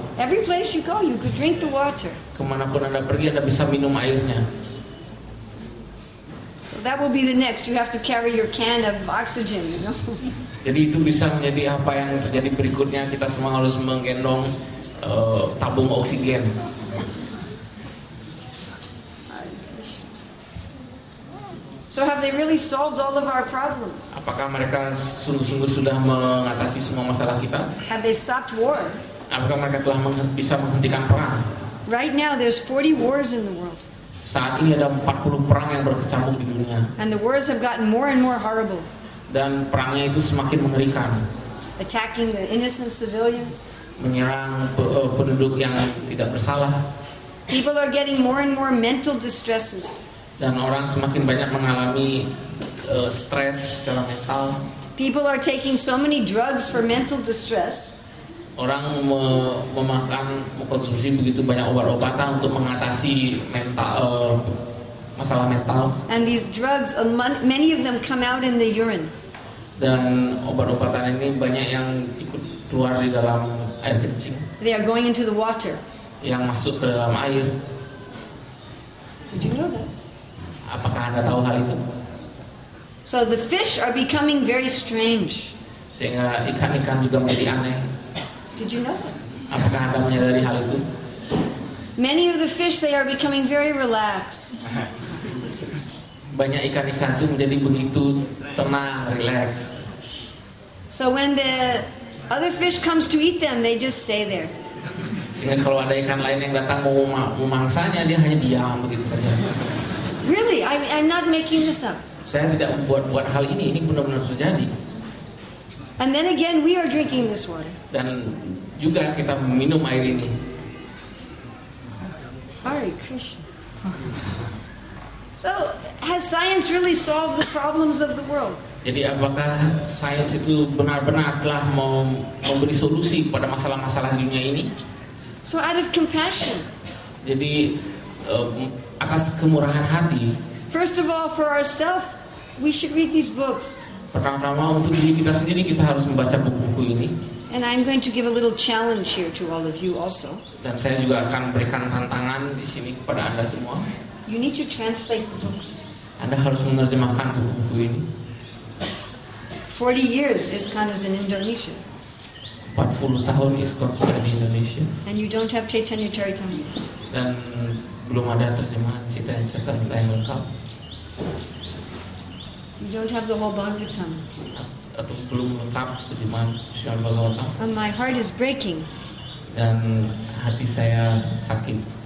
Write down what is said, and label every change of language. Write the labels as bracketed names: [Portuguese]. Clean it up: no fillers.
[English] Every place you go, you could drink the water. [Indonesian] Kemanapun Anda pergi, Anda bisa minum airnya. [English] That will be the next. You have to carry your can of oxygen, you know. [Indonesian] Jadi itu bisa menjadi apa yang terjadi berikutnya. Kita semua harus menggendong tabung oksigen. [English] So have they really solved all of our problems? [Indonesian] Apakah mereka sungguh-sungguh sudah mengatasi semua masalah kita? [English] Have they stopped war? [Indonesian] Apakah mereka telah bisa menghentikan perang? [English] Right now there's 40 wars in the world. [Indonesian] Saat ini ada 40 perang yang berkecamuk di dunia. [English] And the wars have gotten more and more horrible. [Indonesian] Dan perangnya itu semakin mengerikan. [English] Attacking the innocent civilians. [Indonesian] Menyerang penduduk yang tidak bersalah. [English] People are getting more and more mental distresses. [Indonesian] Dan orang semakin banyak mengalami stres secara mental. [English] People are taking so many drugs for mental distress. [Indonesian] Orang memakan, mengkonsumsi begitu banyak obat-obatan untuk mengatasi mental, masalah mental. [English] And these drugs, many of them come out in the urine. [Indonesian] Dan obat-obatan ini banyak yang ikut keluar di dalam air kencing. [English] They are going into the water. [Indonesian] Yang masuk ke dalam air. [English] Did you know that? [Indonesian] Apakah Anda tahu hal itu? [English] So the fish are becoming very strange. [Indonesian] Sehingga ikan-ikan juga menjadi aneh. [English] Did you know that? [Indonesian] Apakah Anda menyadari hal itu? [English] Many of the fish, they are becoming very relaxed. [Indonesian] Banyak ikan-ikan itu menjadi begitu tenang, relax. [English] So when the other fish comes to eat them, they just stay there. [Indonesian] Sehingga kalau ada ikan lain yang datang mau memangsanya, dia hanya diam begitu saja. [English] Really? I'm not making this up. [Indonesian] Saya tidak membuat-buat hal ini benar-benar terjadi. [English] And then again, we are drinking this water. [Indonesian] Dan juga kita minum air ini. [English] Hare Krishna. So, has science really solved the problems of the world? [Indonesian] Jadi apakah sains itu benar-benar telah memberi solusi pada masalah-masalah dunia ini? [English] So, out of compassion. [Indonesian] Jadi atas kemurahan hati. [English] First of all, for ourselves, we should read these books. [Indonesian] Pertama-tama untuk diri kita sendiri, kita harus membaca buku-buku ini. [English] And I'm going to give a little challenge here to all of you also. [Indonesian] Dan saya juga akan berikan tantangan di sini kepada Anda semua. [English] You need to translate the books. [Indonesian] Anda harus menerjemahkan buku-buku ini. [English] 40 years ISKCON is in Indonesia. [Indonesian] 40 tahun ISKCON sudah di Indonesia. [English] And you don't have Chaitanya Charitamrita. [Indonesian] Dan belum ada terjemahan Chaitanya Charitamrita yang lengkap. [English] You don't have the whole Bhagavatam. [Indonesian] Atau belum lengkap terjemahan Srimad Bhagavatam. [English] And my heart is breaking. [Indonesian] Dan hati saya sakit.